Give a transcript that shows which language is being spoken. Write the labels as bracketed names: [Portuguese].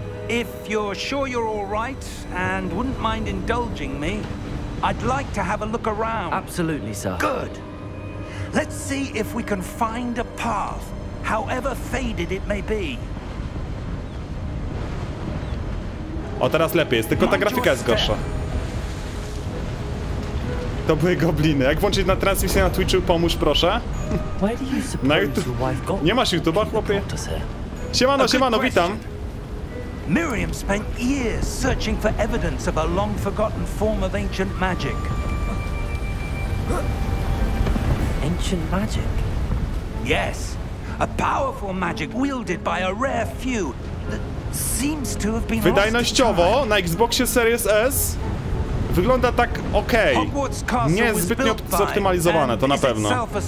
[English] If you're sure you're all right, and wouldn't mind indulging me, I'd like to have a look around. Absolutely, sir. Good. Let's see if we can find a path, however faded it may be. [Polish] O, teraz lepiej jest, tylko ta grafika jest gorsza. To były gobliny. Jak włączyć na transmisję na Twitchu, pomóż proszę. Na YouTube. Nie masz YouTube'a, chłopie? Siemano, siemano, witam. [English] Miriam spent years searching for evidence of a long forgotten form of ancient magic. Ancient magic? Yes. A powerful magic wielded by a rare few. Seems to have been [Polish] wydajnościowo na Xboxie Series S wygląda tak ok. Nie jest zbytnio zoptymalizowane, to na pewno.